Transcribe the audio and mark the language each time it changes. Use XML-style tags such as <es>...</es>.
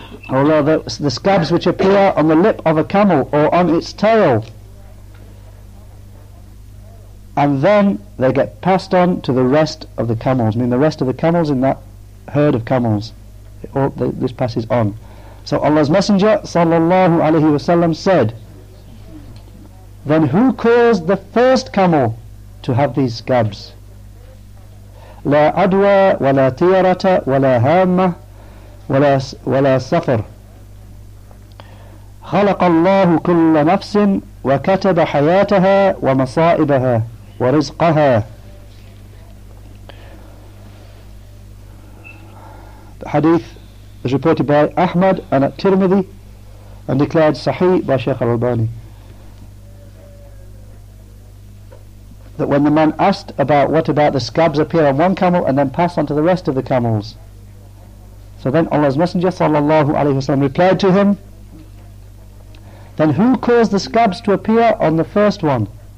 <en>Although the scabs which appear on the lip of a camel or on its tail, and then they get passed on to the rest of the camels, I mean the rest of the camels in that herd of camels, this passes on. So Allah's Messenger sallallahu alaihi wasallam said, then who caused the first camel to have these scabs.</en> <ar>لا عدوى ولا طيرة ولا هامة ولا سفر. خلق الله كل نفس وكتب حياتها ومصائبها ورزقها.</ar> <en>The hadith is reported by Ahmad and at-Tirmidhi and declared sahih by Shaykh al-Albani, that when the man asked about what about the scabs appear on one camel and then pass on to the rest of the camels, so then Allah's Messenger sallallahu alayhi wa sallam replied to him, then who caused the scabs to appear on the first one?</en>